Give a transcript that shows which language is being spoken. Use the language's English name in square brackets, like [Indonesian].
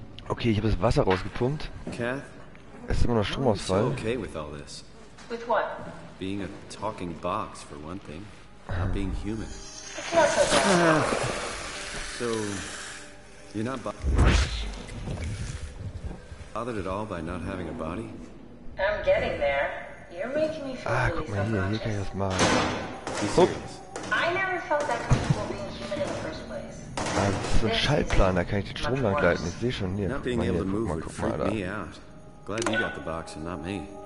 [German] Okay, ich habe das Wasser rausgepumpt. Kath? Es ist immer noch Stromausfall. [English] Okay with all this? With what? Being a talking box, for one thing. Not being human. It's not so bad. So, you're not bothered at all by not having a body? I'm getting there. You're making me feel really [German] guck mal hier, hier kann ich das machen. [English] I never felt that comfortable being human in the first place. [German] Das ist so ein Schallplan, da kann ich den Strom lang gleiten. Ich sehe schon hier. [English] Not being able to move would freak me out. Glad you got the box and not me.